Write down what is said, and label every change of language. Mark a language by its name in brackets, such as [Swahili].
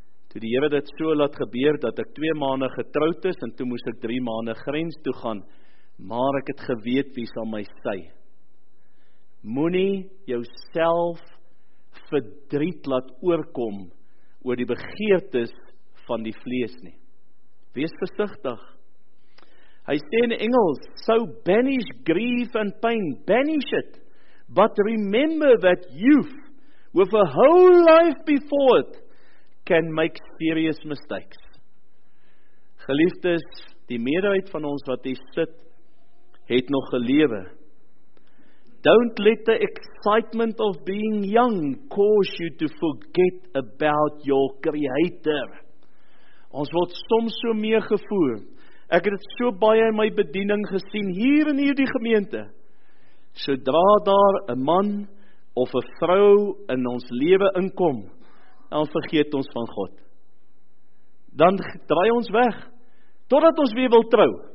[Afrikaans] Toe die Here dit so laat gebeur, dat ek 2 maande getroud is, en toe moes ek 3 maande grens toe gaan, maar ek het geweet wie sal my sy. Moenie jouself verdriet laat oorkom oor die begeertes van die vlees nie. Wees versigtig. Hy sê in Engels, [English] so banish grief and pain, banish it, but remember that youth with a whole life before it can make serious mistakes. [Afrikaans] Geliefdes, die meerderheid van ons wat hier sit, het nog gelewe. [English] Don't let the excitement of being young cause you to forget about your creator. [Afrikaans] Ons word soms so meegevoer. Ek het dit so baie in my bediening gesien, hier in hierdie gemeente. Sodra daar 'n man of 'n vrou in ons lewe inkom, dan vergeet ons van God. Dan draai ons weg, totdat ons weer wil trou.